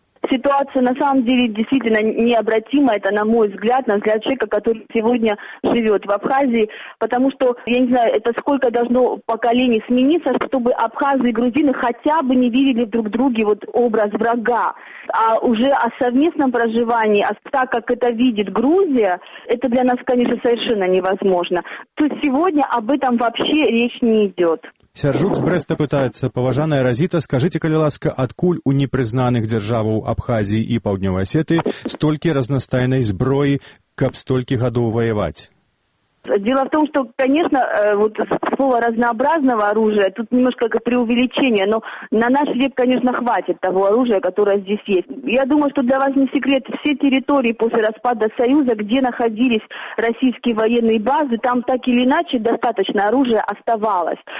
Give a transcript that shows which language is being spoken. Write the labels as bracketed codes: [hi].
[ru] Ситуация на самом деле действительно необратима, это на взгляд человека, который сегодня живет в Абхазии, потому что, я не знаю, это сколько должно поколений смениться, чтобы абхазы и грузины хотя бы не видели друг в друге вот образ врага. А уже о совместном проживании, а так как это видит Грузия, это для нас, конечно, совершенно невозможно. То есть сегодня об этом вообще речь не идет. [be] Сержук з Брэста пытаецца. Паважаная Разіта, скажыце, калі ласка, адкуль у непрызнаных дзяржаваў Абхазіі і Паўднёвай Асетыі столькі разнастайнай зброі, каб столькі гадоў ваяваць? [ru] Дело в том, что, конечно, вот слово разнообразного оружия, тут немножко как преувеличение, но на наш век, конечно, хватит того оружия, которое здесь есть. Я думаю, что для вас не секрет, все территории после распада Союза, где находились российские военные базы, там так или иначе достаточно оружия оставалось.